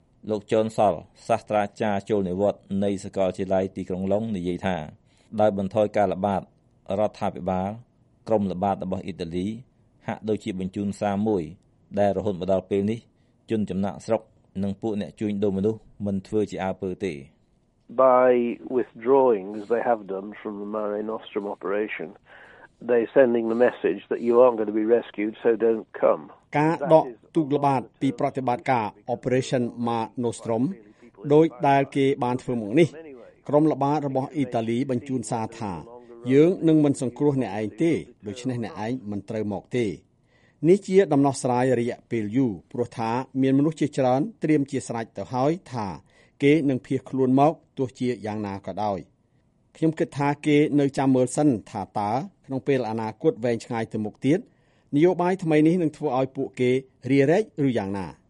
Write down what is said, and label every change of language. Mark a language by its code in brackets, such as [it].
[km] លោកចនសល់សាស្ត្រាចារ្យចូលនិវត្តន៍នៃសាកលវិទ្យាល័យទីក្រុងឡុងនិយាយថាដោយបន្ថយការល្បាតរដ្ឋាភិបាលក្រុមល្បាតរបស់អ៊ីតាលីហាក់ដូចជាបញ្ជូនសារមួយដែលរហូតមកដល់ពេលនេះជនចំណាក់ស្រុកនិងពួកអ្នកជួញដូរមនុស្សមិនធ្វើជាអើពើទេ [en] By withdrawing as they have done from the Mare Nostrum operation they sending the message that you aren't going to be rescued so don't come [km] ការដកទូកល្បាតពីប្រតិបត្តិការ Operation Mare Nostrum ដោយដែលគេបានធ្វើមកនេះក្រុមល្បាតរបស់អ៊ីតាលីបញ្ជូនសារថាយើងនឹងមិនសង្គ្រោះអ្នកឯងទេដូច្នេះអ្នកឯងមិនត្រូវមកទេ នេះជាដំណោះស្រាយរយៈពេលយូរព្រោះថាមានមនុស្សជាច្រើនត្រៀមជាស្រេចទៅហើយថាគេនឹងភៀសខ្លួនមកទោះជាយ៉ាងណាក៏ដោយខ្ញុំគិតថាគេនៅចាំមើលសិនថាតើក្នុងពេលអនាគតវែងឆ្ងាយទៅមុខទៀតនយោបាយថ្មីនេះនឹងធ្វើឲ្យពួកគេរីរែកឬយ៉ាងណា